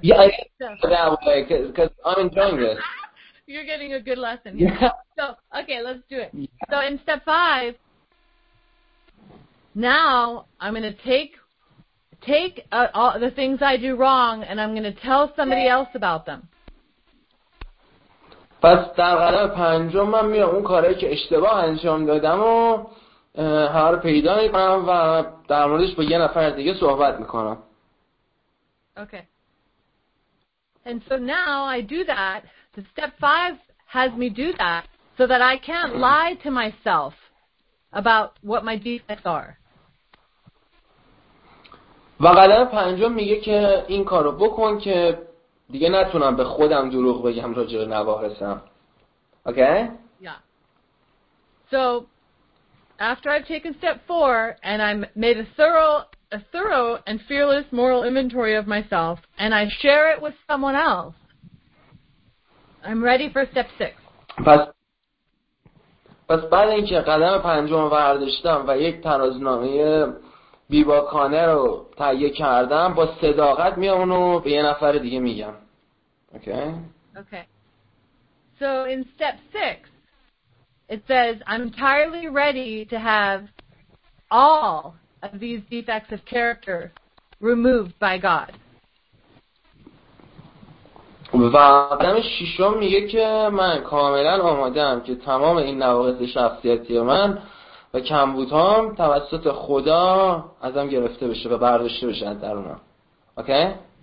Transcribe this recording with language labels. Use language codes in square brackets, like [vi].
[en] Yeah, so, that way because I'm enjoying this. You're getting a good lesson. Yeah. So, okay, let's do it. Yeah. So in step 5 now I'm going to take all the things I do wrong and I'm going to tell somebody else about them. [fa] پس در قدم پنجم من میام اون کاری که اشتباه انجام دادم و هر رو پیدا میکنم و در موردش با یه نفر دیگه صحبت میکنم. [en] Okay. And so now I do that. The step 5 has me do that so that I can't lie to myself about what my defects are. [fa] و قدم پنجم میگه که این کارو بکن که دیگه نتونم به خودم دروغ بگم راجع به نواقصم. [en] Okay? Yeah. So after I've taken step 4 and I've made a thorough and fearless moral inventory of myself and I share it with someone else. I'm ready for step 6. [fa] پس بعد اینکه قدم پنجم برداشتم و یک ترازنامه بیباکانه رو تهیه کردم با صداقت میام اونو به یه نفر دیگه میگم. [en] Okay. So in step 6, it says, I'm entirely ready to have all of these defects of character removed by God. [fa] و قدم ششم میگه که من کاملا آمادم که تمام این نواقص شخصیتی من و کمبودهام توسط خدا ازم گرفته بشه و برداشته بشه از درونم. [en] Okay.